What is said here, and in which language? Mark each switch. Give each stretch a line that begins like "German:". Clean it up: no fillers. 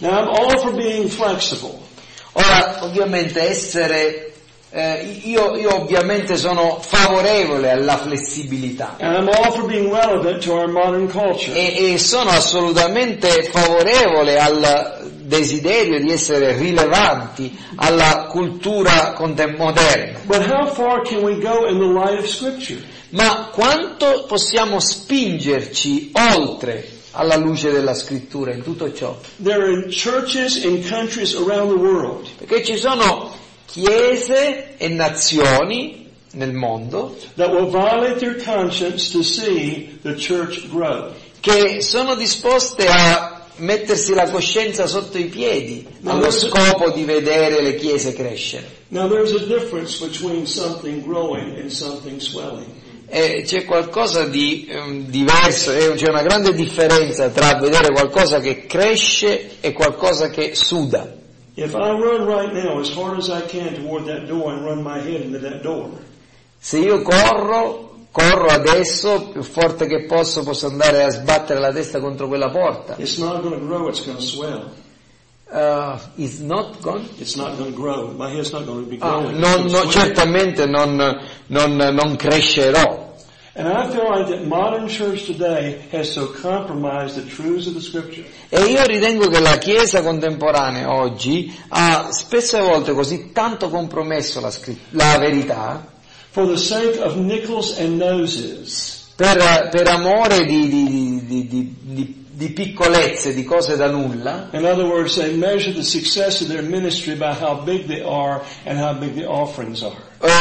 English: Now I'm all for being flexible.
Italian: Ora, ovviamente essere io ovviamente sono favorevole alla flessibilità.
English: And I'm all for being relevant to our modern culture.
Italian: E sono assolutamente favorevole al desiderio di essere rilevanti alla cultura moderna.
English: But how far can we go in the light of Scripture?
Italian: Ma quanto possiamo spingerci oltre alla luce della Scrittura in tutto ciò?
English: There are churches in countries around the world.
Italian: Perché ci sono chiese e nazioni nel mondo
English: that will violate their conscience to see the church grow.
Italian: Che sono disposte a mettersi la coscienza sotto i piedi allo scopo di vedere le chiese crescere.
English: Now there's a difference between something growing and something swelling.
Italian: E c'è qualcosa di diverso, c'è una grande differenza tra vedere qualcosa che cresce e qualcosa che suda.
English: If I run right now as hard as I can toward that door and run my head into that door.
Italian: Se io corro adesso più forte che posso andare a sbattere la testa contro quella porta.
English: It's not going to grow, it's going to swell. It's not going. It's not going to grow. My head's not going to be growing.
Italian: Non, certamente non crescerò.
English: And I feel like that modern church today has so compromised the truths of the scripture.
Italian: E io ritengo che la chiesa contemporanea oggi ha spesse volte così tanto compromesso la verità.
English: For the sake of nickels and noses.
Italian: Per amore di piccolezze, di cose da nulla.
English: In other words, they measure the success of their ministry by how big they are and how big the offerings are.